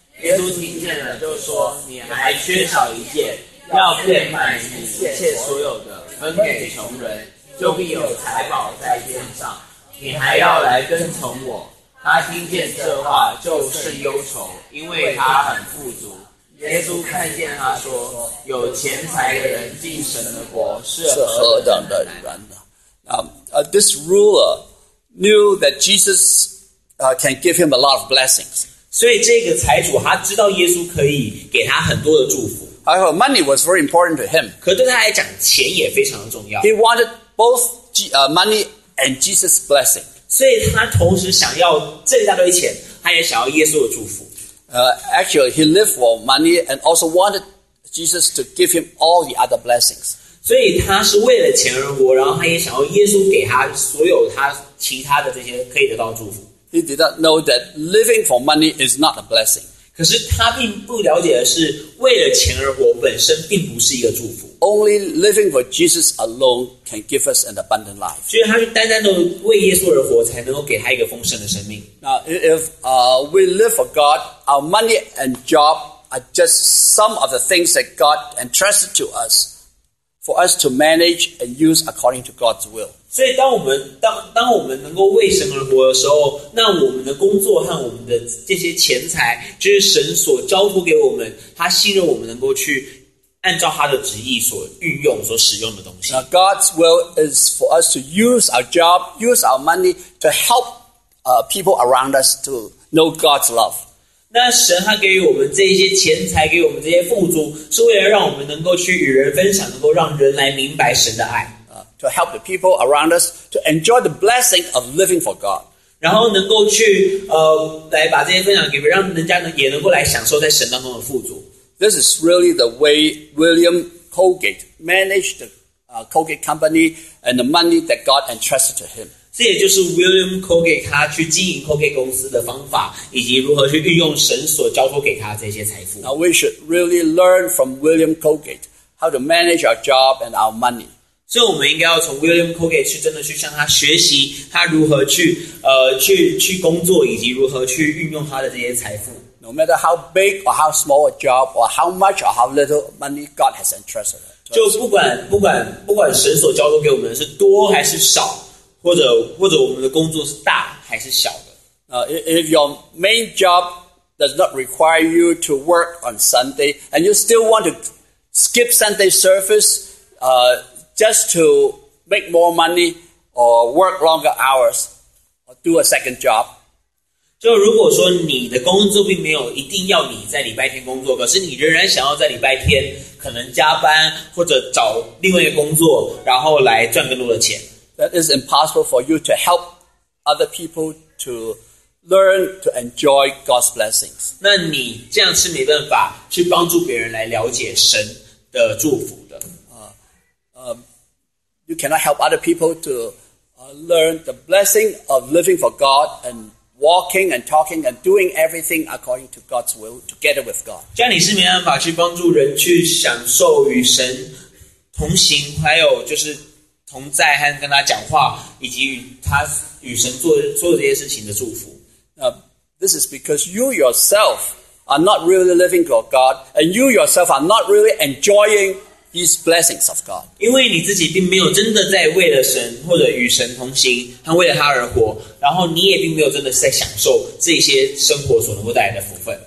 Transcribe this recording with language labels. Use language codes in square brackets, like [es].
[zh] 耶稣听见了就说，你还缺少一件，要变卖你一切所有的，分给穷人，就必有财宝在天上，你还要来跟从我。他听见这话就甚忧愁，因为他很富足。耶稣看见他说，有钱财的人进神的国是何等的人呢？ [en] This ruler knew that Jesus can give him a lot of blessings. [zh] 所以这个财主他知道耶稣可以给他很多的祝福。 [en] However, money was very important to him. [zh] 可对他来讲，钱也非常的重要。 [en] He wanted both money and Jesus' blessing. [zh] 所以他同时想要这大堆钱，他也想要耶稣的祝福。 [en] Actually, he lived for money and also wanted Jesus to give him all the other blessings. [zh] 所以他是为了钱而活，然后他也想要耶稣给他所有他其他的这些可以得到祝福。 [en] He did not know that living for money is not a blessing. [zh] 可是他并不了解的是，为了钱而活本身并不是一个祝福。 [en] Only living for Jesus alone can give us an abundant life. [zh] 所以他是单单的为耶稣而活，才能够给他一个丰盛的生命。 [en] Now, if we live for God, our money and job are just some of the things that God entrusted to us for us to manage and use according to God's will. [zh] 所以当我们能够为神而活的时候，那我们的工作和我们的这些钱财，就是神所交托给我们，他信任我们能够去按照他的旨意所运用、所使用的东西。 [en] Now, God's will is for us to use our job, use our money to help people around us to know God's love. [zh] 那神他给予我们这些钱财，给我们这些富足，是为了让我们能够去与人分享，能够让人来明白神的爱。 [en] To help the people around us to enjoy the blessing of living for God. [zh] 然后能够去来把这些分享给别人，让人家也能够来享受在神当中的富足。 [en] This is really the way William Colgate managed the Colgate Company and the money that God entrusted to him. [zh] 这也就是 William Colgate 他去经营 Colgate 公司的方法，以及如何去运用神所交托给他这些财富。 [en] Now we should really learn from William Colgate how to manage our job and our money. [zh] 所以我们应该要从 William Colgate 去真的去向他学习，他如何去工作，以及如何去运用他的这些财富。 [en] No matter how big or how small a job or how much or how little money God has entrusted us. [zh] 就不管神所交托给我们是多还是少，或者我们的工作是大还是小的。 [en] If your main job does not require you to work on Sunday and you still want to skip Sunday service, just to make more money or work longer hours or do a second job. [zh] 就如果说你的工作并没有一定要你在礼拜天工作，可是你仍然想要在礼拜天可能加班或者找另外一个工作，然后来赚更多的钱。 [en] That is impossible for you to help other people to learn to enjoy God's blessings. [zh] 那你这样是没办法去帮助别人来了解神的祝福的。 [en] You cannot help other people to learn the blessing of living for God and. Walking and talking and doing everything according to God's will, together with God. [zh] 这样你是没办法去帮助人去享受与神同行，还有就是同在和跟他讲话，以及与他与神做这些事情的祝福。 [en] This is because you yourself are not really living for God, and you yourself are not really enjoying these blessings of God. [zh] 因为你自己并没有真的在为了神或者与神同行，和为了他而活。然后你也并没有真的在享受这些生活所能够带来的福分。